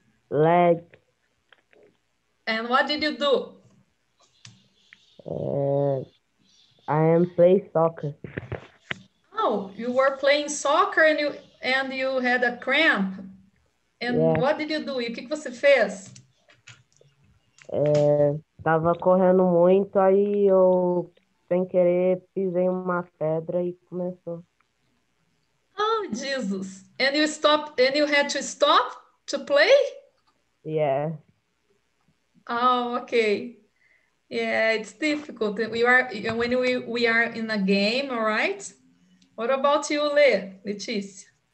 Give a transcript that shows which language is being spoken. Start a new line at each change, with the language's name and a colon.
English: Leg. And what did you do? I am playing soccer. Oh, you were playing soccer and you had a cramp? And yeah. What did you do?
Portuguese: E o que você fez? Tava correndo muito, aí eu, sem querer, pisei uma pedra e começou.
English: Oh, Jesus. And you stopped, and you had to stop to play? Yeah. Oh, okay. Yeah, it's difficult. When we are in a game, all right? What about you, Letícia?